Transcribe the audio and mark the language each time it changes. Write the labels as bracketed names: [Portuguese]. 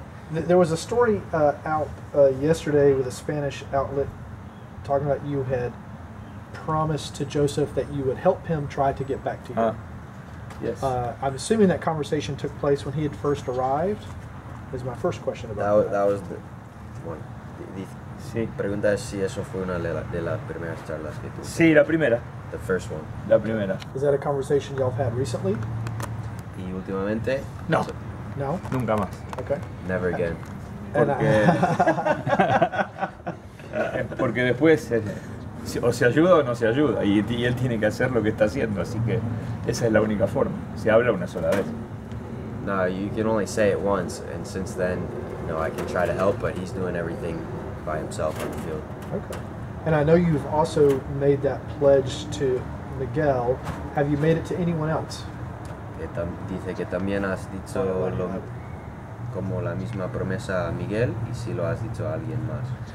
[English] There was a story out yesterday with a Spanish outlet talking about you had promised to Joseph that you would help him try to get back to you. Yes. I'm assuming that conversation took place when he had first arrived. Is my first question about that. That was the one. Sí. [Spanish] Pregunta es si eso fue una de las primeras charlas que tuve. Sí, la primera. [English] The first one. [Spanish] La primera. [English] Is that a conversation y'all have had recently? [Spanish] Y últimamente. No. No. Nunca más. [English] Okay. Never again. [Spanish] Porque porque después o se ayuda o no se ayuda y él tiene que hacer lo que está haciendo, así que esa es la única forma. Se habla una sola vez. [English] No, you can only say it once, and since then, you know, I can try to help, but he's doing everything by himself on the field. Okay. And I know you've also made that pledge to Miguel. Have you made it to anyone else? [Spanish] Dice que también has dicho como la misma promesa a Miguel, y si lo has dicho a alguien más.